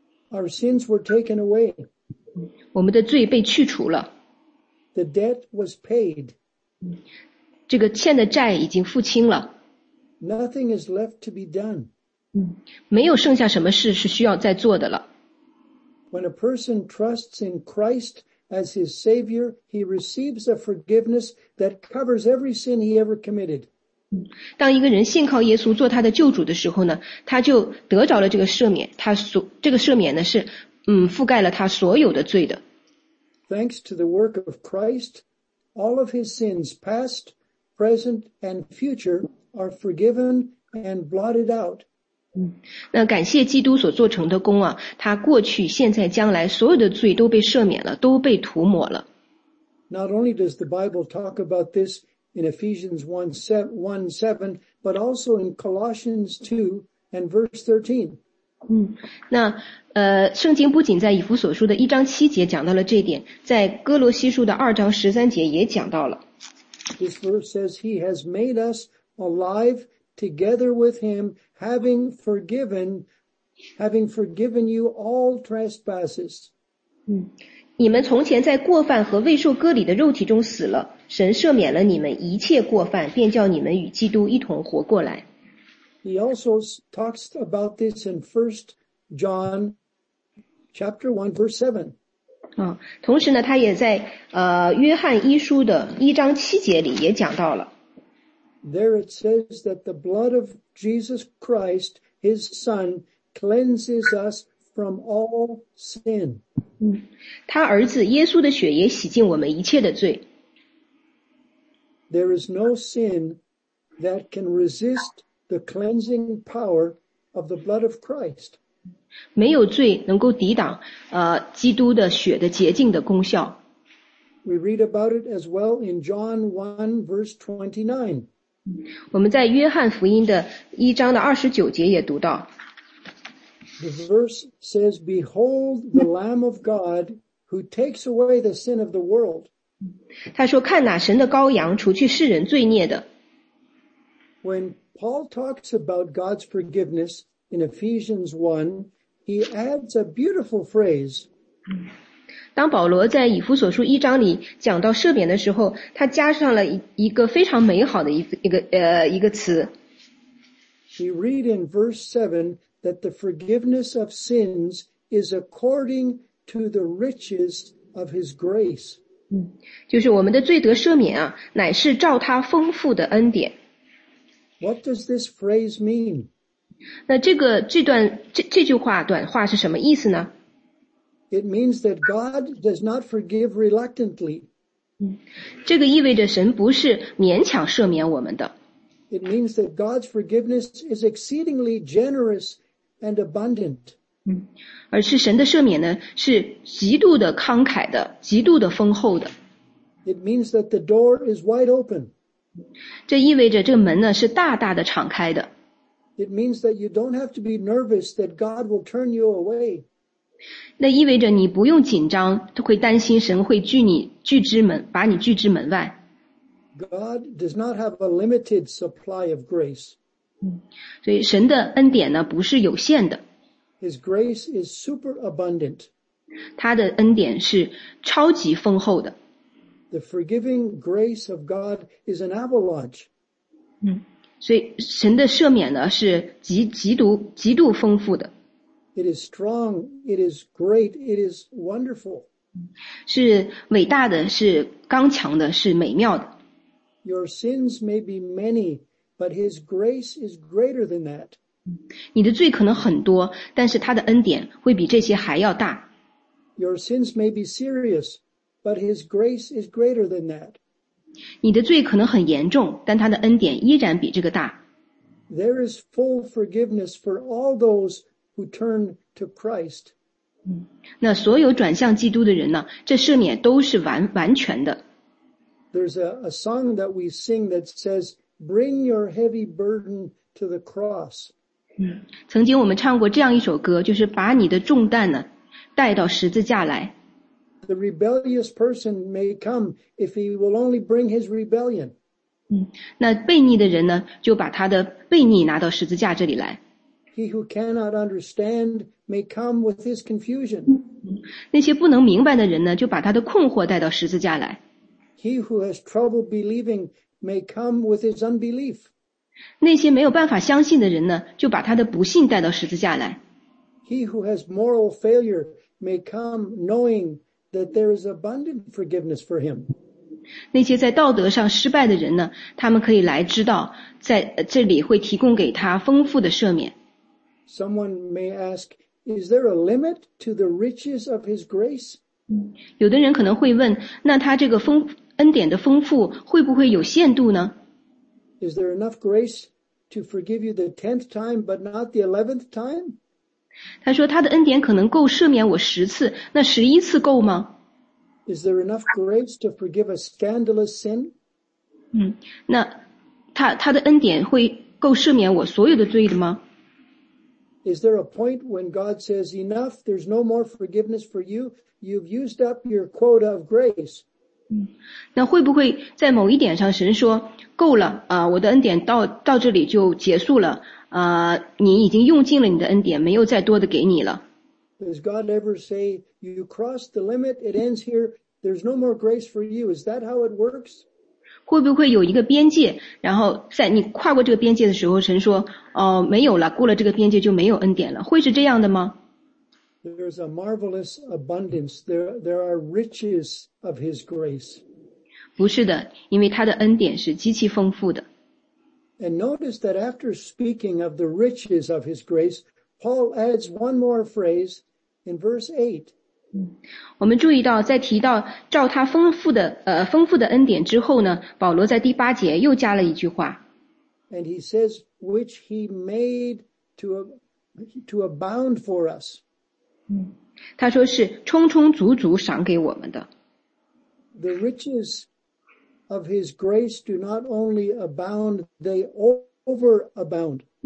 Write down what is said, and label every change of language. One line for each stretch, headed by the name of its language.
English: Our sins were taken away.
Chinese: 我们的罪被去除了。
English: The debt was paid.
Chinese: 这个欠的债已经付清了。
English: Nothing is left to be done.
Chinese: 没有剩下什么事是需要再做的了。
English: When a person trusts in Christ,As his Savior, he receives a forgiveness that covers every sin he ever committed.
Chinese: 当一个人信靠耶稣做他的救主的时候呢，他就得着了这个赦免。这个赦免呢是，覆盖了他所有的罪的。
English: Thanks to the work of Christ, all of his sins, past, present, and future, are forgiven and blotted out.
Chinese: 那感谢基督所做成的功啊，他过去、现在、将来所有的罪都被赦免了，都被涂抹了。
English: Not only does the Bible talk about this in Ephesians 1:7, but also in Colossians 2 and verse 13.
Chinese: 那圣经不仅在以弗所书的一章七节讲到了这点，在哥罗西书的二章十三节也讲到了。
English: This verse says he has made us alive. Together with him, having forgiven you all trespasses.
Chinese: 你们从前在过犯和未受割礼的肉体中死了，神赦免了你们一切过犯，便叫你们与基督一同活过来。
English: He also talks about this in 1 John chapter 1, verse 7.
Chinese: 同时呢，他也在约翰一书的一章七节里也讲到了。
English: There it says that the blood of Jesus Christ, his son, cleanses us from all sin.
Chinese: 他儿子耶稣的血也洗净我们一切的罪。
English: There is no sin that can resist the cleansing power of the blood of Christ.
Chinese: 没有罪能够抵挡基督的血的洁净的功效。
English: We read about it as well in John 1 verse 29.
Chinese: 我们在约翰福音的一章的二十九节也读到。
English: The verse says, Behold the Lamb of God who takes away the sin of the world.
Chinese: 他说看哪神的羔羊除去世人罪孽的。
English: When Paul talks about God's forgiveness in Ephesians 1, he adds a beautiful phrase.
Chinese: 当保罗在以弗所书一章里讲到赦免的时候，他加上了一个非常美好的一个词。
English: We read in verse 7 that the forgiveness of sins is according to the riches of his grace.
Chinese: 就是我们的罪得赦免啊，乃是照他丰富的恩典。
English: What does this phrase mean?
Chinese: 那这句话短话是什么意思呢？
English: It means that God does not forgive reluctantly.
Chinese: 这个意味着神不是勉强赦免我们的。
English: It means that God's forgiveness is exceedingly generous and abundant.
Chinese: 而是神的赦免呢，是极度的慷慨的，极度的丰厚的。
English: It means that the door is wide open.
Chinese: 这意味着这门呢，是大大的敞开的。
English: It means that you don't have to be nervous that God will turn you away.
Chinese: 那意味着你不用紧张，都会担心神会把你拒之门外。
English: God does not have a limited supply of grace.
Chinese: 所以神的恩典呢，不是有限的。
English: His grace is super abundant.
Chinese: 他的恩典是超级丰厚的。
English: The forgiving grace of God is an avalanche.
Chinese: 所以神的赦免呢，是极度丰富的。
English: It is strong, it is great, it is wonderful.
Chinese: 是伟大的，是刚强的，是美妙的。
English: Your sins may be many, but his grace is greater than that.
Chinese: 你的罪可能很多，但是他的恩典会比这些还要大。
English: Your sins may be serious, but his grace is greater than that.
Chinese: 你的罪可能很严重，但他的恩典依然比这个大。
English: There is full forgiveness for all those who turn to Christ.
Chinese: 那所有转向基督的人呢，这赦免都是完全的。
English: There's a song that we sing that says, bring your heavy burden to the cross.
Chinese: 曾经我们唱过这样一首歌，就是把你的重担呢，带到十字架来。
English: The rebellious person may come if he will only bring his rebellion.
Chinese: 那悖逆的人呢，就把他的悖逆拿到十字架这里来。
English: He who cannot understand may come with his confusion.
Chinese: 那些不能明白的人呢，就把他的困惑带到十字架来。
English: He who has trouble believing may come with his unbelief.
Chinese: 那些没有办法相信的人呢，就把他的不信带到十字架来。
English: He who has moral failure may come knowing that there is abundant forgiveness for him.
Chinese: 那些在道德上失败的人呢，他们可以来知道在这里会提供给他丰富的赦免。
English: Someone may ask, is there a limit to the riches of his grace?
Chinese: 有的人可能会问，那他这个恩典的丰富会不会有限度呢？
English: Is there enough grace to forgive you the 10th time but not the 11th time?
Chinese: 他说他的恩典可能够赦免我十次，那十一次够吗？
English: Is there enough grace to forgive a scandalous sin?
Chinese: 那他的恩典会够赦免我所有的罪的吗？
English: Is there a point when God says enough, there's no more forgiveness for you, you've used up your quota of grace?
Chinese: 那会不会在某一点上神说够了，我的恩典到这里就结束了，你已经用尽了你的恩典，没有再多的给你了。
English: Does God ever say, you crossed the limit, it ends here, there's no more grace for you, is that how it works?
Chinese: 会不会有一个边界，然后在你跨过这个边界的时候，神说，没有了，过了这个边界就没有恩典了，会是这样的吗？
English: There's a marvelous abundance, there are riches of his grace.
Chinese: 不是的，因为他的恩典是极其丰富的。
English: And notice that after speaking of the riches of his grace, Paul adds one more phrase in verse 8.
Chinese: 我们注意到在提到照他丰富的恩典之后呢，保罗在第八节又加了一句话。
English: And he says, which he made to abound for us.
Chinese: 他说是充充足足赏给我们的。
English: The riches of his grace do not only abound, they overabound.